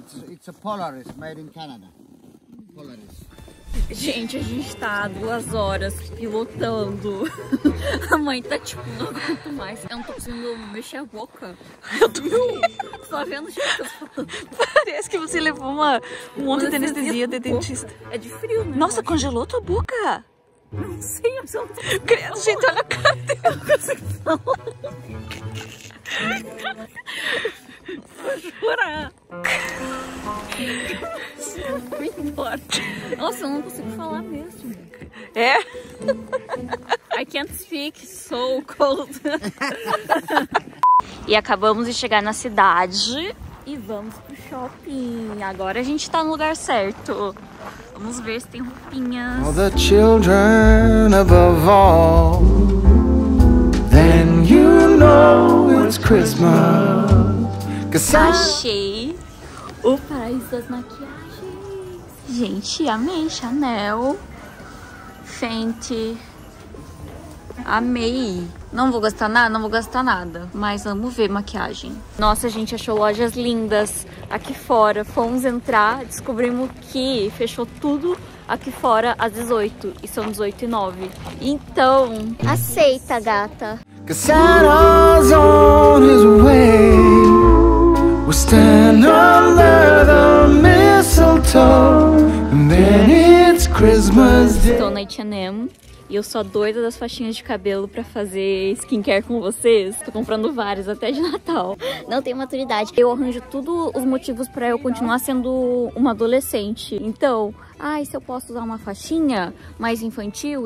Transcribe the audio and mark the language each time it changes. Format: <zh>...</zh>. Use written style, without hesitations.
<en>It's a Polaris made in Canada. Polaris.</en> <pt>Gente, a gente tá há 2 horas pilotando. A mãe tá tipo, não aguento mais. Eu não tô conseguindo mexer a boca. Eu tô meio. Tô vendo já. Parece que você levou uma monte de anestesia de dentista. É de frio, né? Nossa, congelou tua boca! Não sei, eu só tô. Credo, gente, olha a cara dela. Vou chorar. Nossa, eu não consigo falar mesmo. É?</pt> <en>I can't speak, so cold.</en> <pt>E acabamos de chegar na cidade. E vamos pro shopping. Agora a gente tá no lugar certo. Vamos ver se tem roupinhas.</pt> <en>All the children above all. Then you know it's Christmas.</en> <pt>Achei o paraíso das maquiagens. Gente, amei. Chanel, Fenty. Amei. Não vou gastar nada, não vou gastar nada. Mas vamos ver maquiagem. Nossa, a gente achou lojas lindas aqui fora. Fomos entrar, descobrimos que fechou tudo aqui fora às 18. E são 18h09. Então, aceita, gata.</pt> <en>Santa's on his way. We'll stand under the mistletoe. And then it's Christmas Day.</en> <pt>Estou na H&M. E eu sou a doida das faixinhas de cabelo pra fazer skincare com vocês. Tô comprando várias até de Natal. Não tenho maturidade. Eu arranjo tudo os motivos pra eu continuar sendo uma adolescente. Então, ai, se eu posso usar uma faixinha mais infantil?</pt>